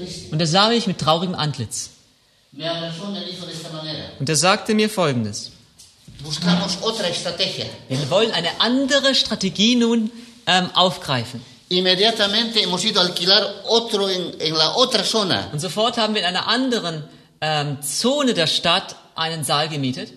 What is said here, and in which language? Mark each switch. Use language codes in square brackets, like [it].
[de] Und er sah mich mit traurigem Antlitz. Und er sagte mir Folgendes. Wir wollen eine andere Strategie nun aufgreifen. [es] Inmediatamente hemos ido a alquilar otro en la otra zona. [de] Und sofort haben wir in einer anderen Zone der Stadt einen Saal gemietet.